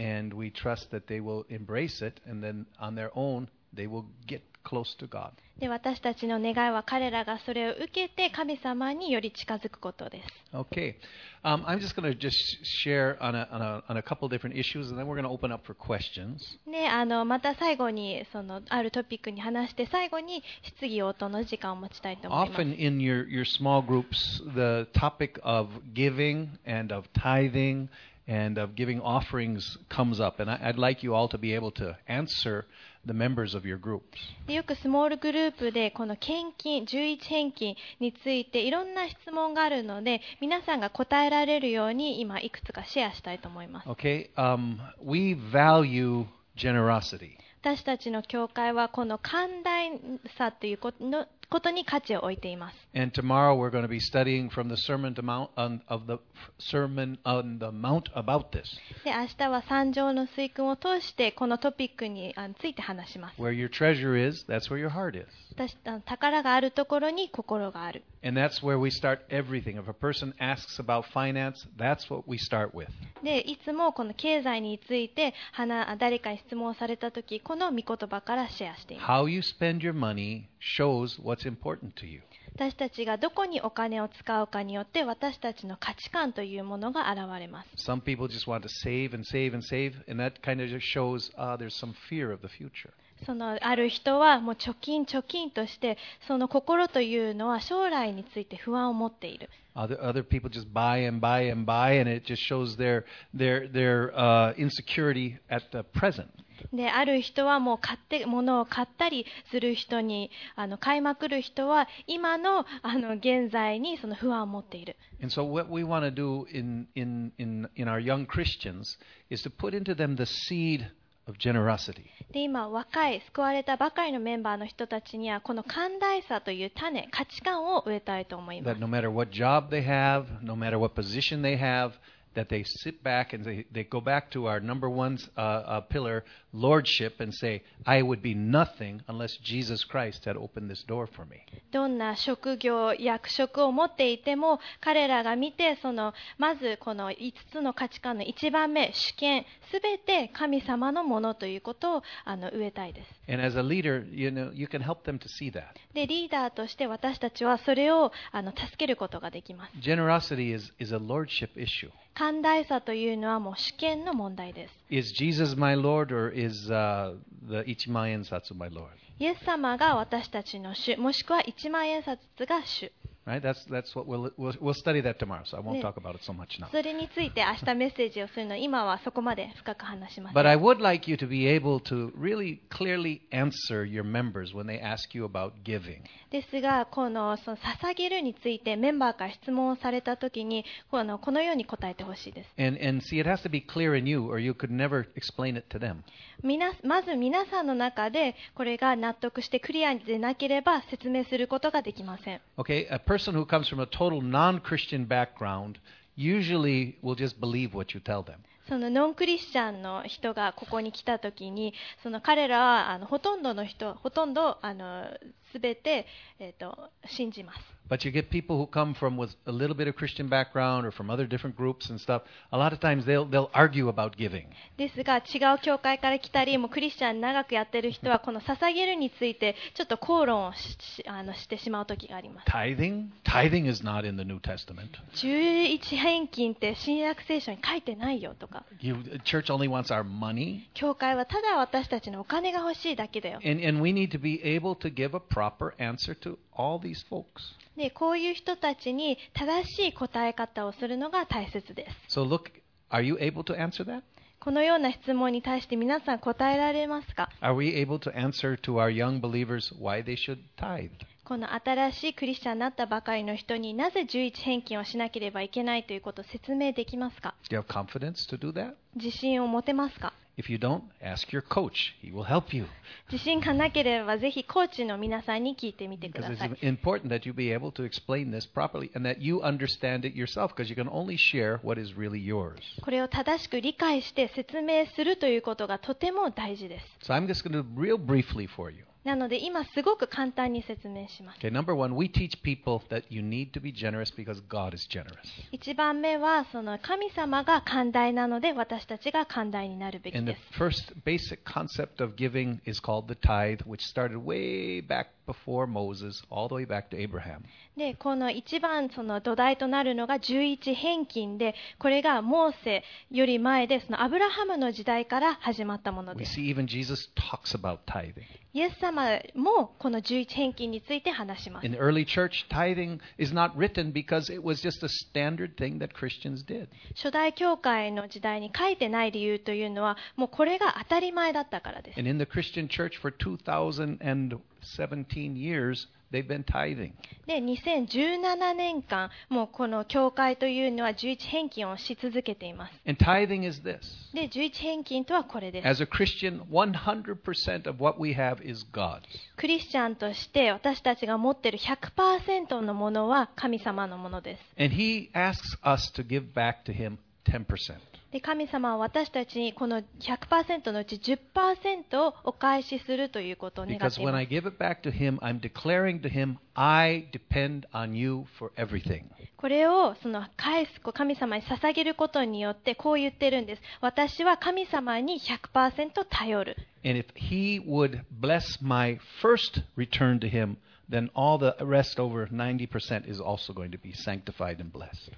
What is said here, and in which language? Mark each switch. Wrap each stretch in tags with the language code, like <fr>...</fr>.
<en>And we trust that they will embrace it and then on their own they will get close to God.</en> <ja>で私たちの願いは彼らがそれを受けて神様により近づくことです。</ja> <en>Okay. I'm just going to just share on a couple different issues and then we're going to open up for questions.</en> <ja>ね、また最後にそのあるトピックに話して最後に質疑応答の時間を持ちたいと思います。</ja> <en>Often in your small groups, the topic of giving and of tithing and of giving offerings comes up and I'd like you all to be able to answer. The members of your groups.</en> <ja>よくスモールグループでこの献金、十一返金についていろんな質問があるので、皆さんが答えられるように今いくつかシェアしたいと思います。</ja> <en>Okay. We value generosity.</en> <ja>私たちの教会はこの寛大さということに価値を置いています。</ja> <en>And tomorrow we're going to be studying from the Sermon of the Sermon on the Mount about this.</en> <ja>で、明日は三条の水訓を通してこのトピックについて話します。</ja> <en>Where your treasure is, that's where your heart is.</en> <ja>宝があるところに心がある。</ja> <en>And that's where we start everything. If a person asks about finance, that's what we start with.</en> <ja>で、いつもこの経済について誰かに質問された時、この御言葉からシェアしています。</ja> <en>How you spend your money shows what's important to you.</en> <ja>私たちがどこにお金を使うかによって私たちの価値観というものが現れます。</ja> <en>Some people just want to save and save and save, and that kind of just shows, there's some fear of the future.</en> <ja>そのある人はもう貯金貯金としてその心というのは将来について不安を持っている。</ja> <en>Other people just buy and buy and buy and it just shows their insecurity at the present.</en> <ja>で、ある人はもう買って物を買ったりする人に買いまくる人は今の現在にその不安を持っている。</ja> <en>And so what we want to do in our young Christians is to put into them the seed. Of generosity.</en> <ja>で今若い救われたばかりのメンバーの人たちにはこの寛大さという種価値観を植えたいと思います。</ja> <en>That no matter what job they have, no matter what position they have, that they sit back and they go back to our number one pillar, lordship, and say, I would be nothing unless Jesus Christ had opened this door for me.</en> <ja>どんな職業役職を持っていても彼らが見てそのまずこの5つの価値観の1番目主権すべて神様のものということを植えたいです。</ja> <en>And as a leader, you know, you can help them to see that.</en> <ja>でリーダーとして私たちはそれを助けることができます。</ja> <en>Generosity is a lordship issue.</en> <ja>寛大さというのはもう主権の問題です。</ja> <en>Is Jesus my Lord or is the 一万円札 my Lord?</en> <ja>イエス様が私たちの主、もしくは一万円札が主。</ja> <en>Right, that's what we'll study that tomorrow. So I won't talk about it so much now.</en> <ja>それについて明日メッセージをするの、今はそこまで深く話しません。</ja> <en>But I would like you to be able to really clearly answer your members when they ask you about giving.</en> <ja>ですが、このその捧げるについてメンバーから質問をされたときに、このように答えてほしいです。</ja> <en>And see, it has to be clear in you, or you could never explain it to them.</en> <ja>まず皆さんの中でこれが納得してクリアでなければ説明することができません。</ja> <en>Okay. Person who comes from a total non-Christian background usually will just believe what you tell them.</en> <ja>そのノンクリスチャンの人がここに来た時に、その彼らはほとんどの人、ほとんどすべて信じます。</ja> <en>But you get people who come from with a little bit of Christian background or from other different groups and stuff. A lot of times they'll argue about giving.</en> <ja>ですが、違う教会から来たり、もうクリスチャン長くやってる人はこの捧げるについてちょっと口論をしてしまう時があります。</ja> <en>Tithing is not in the New Testament.</en> <ja>11返金って新約聖書に書いてないよとか。</ja> <en>Church only wants our money.</en> <ja>教会はただ私たちのお金が欲しいだけだよ。</ja> <en>And we need to be able to give a proper answer to all these folks.</en> <ja>でこういう人たちに正しい答え方をするのが大切です。</ja> <en>So、look, are you able to answer that?</en> <ja>このような質問に対して皆さん答えられますか?</ja> <en>Are we able to answer to our young believers why they should tithe?</en> <ja>この新しいクリスチャンになったばかりの人になぜ11返金をしなければいけないということを説明できますか?</ja> <en>Do you have confidence to do that?</en> <ja>自信を持てますか?</ja> <en>If you don't, ask your coach. He will help you.</en> <ja>自信がなければぜひコーチの皆さんに聞いてみてください。</ja> <en>Because it's important that you be able to explain this properly and that you understand it yourself because you can only share what is really yours.</en> <ja>これを正しく理解して説明するということがとても大事です。</ja> <en>So I'm just going to real briefly for you.</en> <ja>なので今すごく簡単に説明します。</ja> <en>Okay, number one, we teach people that you need to be generous because God is generous.</en> <ja>一番目はその神様が寛大なので私たちが寛大になるべきです。</ja> <en>And the first basic concept of giving is called the tithe, which started way back before Moses, all the way back to Abraham.</en> <ja>で、この一番その土台となるのが十一返金で、これがモーセより前でそのアブラハムの時代から始まったものです。</ja> <en>We see even Jesus talks about tithing.</en> <ja>イエス様もこの十一返金について話します。</ja> <en>In early church, tithing is not written because it was just a standard thing that Christians did.</en> <ja>初代教会の時代に書いてない理由というのは、もうこれが当たり前だったからです。</ja> <en>And in the Christian church for 2017 years,They've been tithing.</en> <ja>で2017年間もうこの教会というのは十一返金をし続けています。</ja> <en>And tithing is this.</en> <ja>で十一返金とはこれです。</ja> <en>As a Christian, 100% of what we have is God's.</en> <ja>クリスチャンとして私たちが持ってる 100% のものは神様のものです。</ja> <en>And He asks us to give back to Him 10%.</en> <ja>で神様は私たちにこの 100% のうち 10% をお返しするということを願っています。</ja> <en>Him, I depend on you for everything. これをその返す神様に捧げることによってこう言ってるんです。</en> <ja>私は神様に 100% 頼る。</ja> <en>And if He would bless my first return to Him,Then all the rest over 90% is also going to be sanctified and blessed.</en>